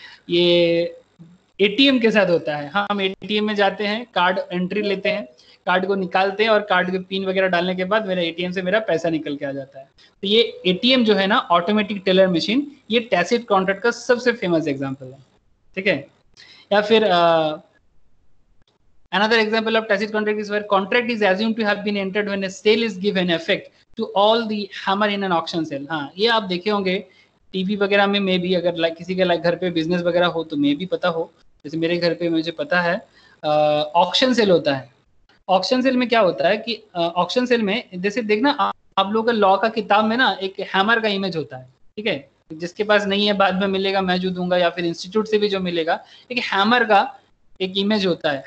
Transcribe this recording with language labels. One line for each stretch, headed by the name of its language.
Hindi: ये एटीएम के साथ होता है, हम एटीएम में जाते हैं, कार्ड एंट्री लेते हैं, कार्ड को निकालते हैं, और कार्ड के पिन वगैरह डालने के बाद मेरा एटीएम से मेरा पैसा निकल के आ जाता है। तो ये एटीएम जो है ना, ऑटोमेटिक टेलर मशीन, ये टैसिट कॉन्ट्रैक्ट का सबसे फेमस एग्जांपल है, ठीक है। या फिर
English: another example of tacit contract is where contract is assumed to have been entered when a sale is given effect to all the hammer in an auction sale.
Hindi: हाँ, ये आप देखे होंगे टीवी वगैरह में, मे भी अगर लाइक किसी के लाइक घर पे बिजनेस वगैरह हो तो मे भी पता हो, जैसे मेरे घर पे मुझे पता है ऑक्शन सेल होता है। ऑक्शन सेल में क्या होता है कि ऑक्शन सेल में जैसे देखना आप लोगों का लॉ का किताब में ना एक हैमर का इमेज होता है, ठीक है, जिसके पास नहीं है बाद में मिलेगा, मैं जो दूंगा या फिर इंस्टीट्यूट से भी जो मिलेगा, एक हैमर का एक इमेज होता है।